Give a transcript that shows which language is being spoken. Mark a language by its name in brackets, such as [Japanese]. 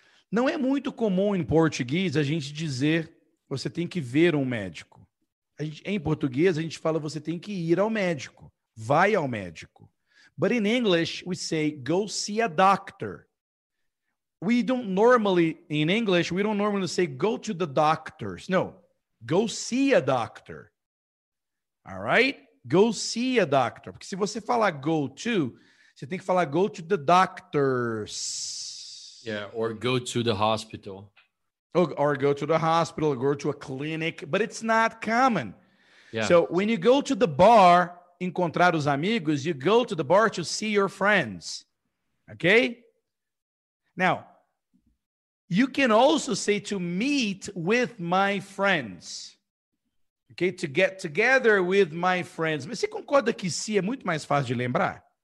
[Portuguese] Não é muito comum em português a gente dizer você tem que ver um médico. A gente, em português a gente fala você tem que ir ao médico, vai ao médico. [English] But in English we say go see a doctor. We don't normally, in English, we don't normally say, go to the doctors. No, go see a doctor. All right? Go see a doctor. [Portuguese] Porque se você falar [English] go to, [Portuguese] você tem que falar [English] go to the doctors. Yeah, or go to the hospital. Or go to the hospital, or go to a clinic. But it's not common. Yeah. So when you go to the bar, [Portuguese] encontrar os amigos, [English] you go to the bar to see your friends. Okay? Now, you can also say to meet with my friends. Okay, to get together with my friends. [Portuguese] Mas você concorda que se é muito mais fácil de lembrar?